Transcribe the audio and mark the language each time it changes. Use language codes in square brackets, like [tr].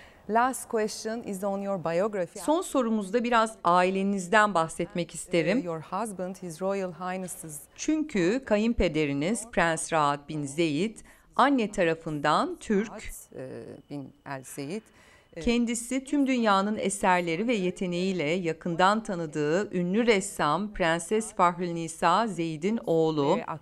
[en] Last question is on your biography. [tr] Son sorumuzda biraz ailenizden bahsetmek isterim. [en] Your husband, His Royal Highness's... [tr] Çünkü kayınpederiniz Prens Raat bin Zeyd, anne tarafından Türk. Bin El Zeyd. Kendisi tüm dünyanın eserleri ve yeteneğiyle yakından tanıdığı ünlü ressam Prenses Fahrülnisa Zeyd'in oğlu.